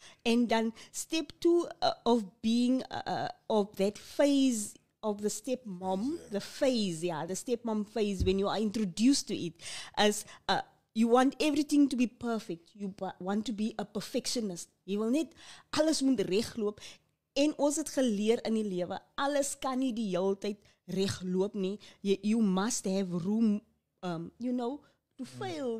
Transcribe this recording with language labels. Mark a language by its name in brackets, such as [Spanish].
[English] And then step two of being, of that phase of the stepmom, the stepmom phase when you are introduced to it, as you want everything to be perfect. You want to be a perfectionist. You will need [Afrikaans] alles moet regloop. En ons het geleer in die lewe, alles kan nie die hele tyd regloop nie. [English] You must have room, you know, to fail.